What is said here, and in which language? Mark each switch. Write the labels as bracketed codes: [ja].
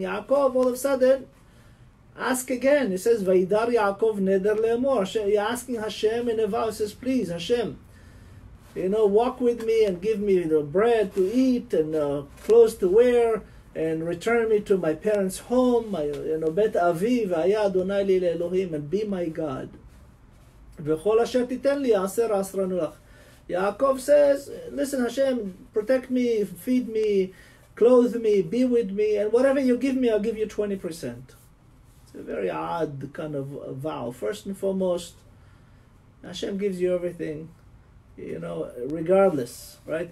[en] Yaakov, all of a sudden, ask again. He says, Vaidar Yaakov neder le'mor. You're asking Hashem in a vow. He says, please, Hashem, you know, walk with me and give me the bread to eat and clothes to wear and return me to my parents' home, my, you know, Bet Aviv, Aya Adonai li le'elohim, and be my God. [he] וכל אשר תיתן לי, עשר עשרנו לך. [en] יעקב says, listen, Hashem, protect me, feed me, clothe me, be with me, and whatever you give me, I'll give you 20%. It's a very odd kind of vow. First and foremost, Hashem gives you everything, you know, regardless, right?